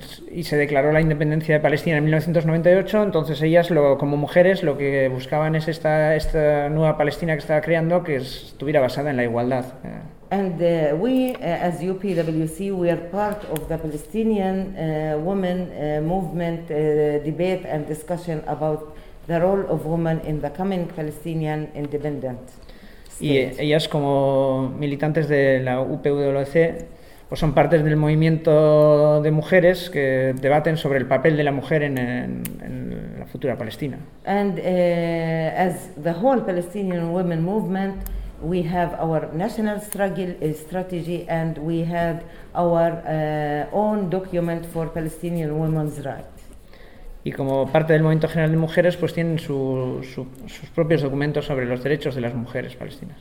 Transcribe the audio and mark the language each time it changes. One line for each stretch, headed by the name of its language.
Spanish: Y se declaró la independencia de Palestina en 1998. Entonces ellas, como mujeres, lo que buscaban es esta nueva Palestina que estaba creando, que estuviera basada en la igualdad.
English: And we, as UPWC, we are part of the Palestinian women movement debate and discussion about the role of women in the coming Palestinian independent state.
Spanish: Y ellas, como militantes de la UPWC, pues son parte del movimiento de mujeres que debaten sobre el papel de la mujer en la futura Palestina.
English: And as the whole Palestinian women movement, we have our national struggle strategy and we have our own document for Palestinian women's rights.
Spanish: Y como parte del Movimiento General de Mujeres, pues tienen sus propios documentos sobre los derechos de las mujeres palestinas.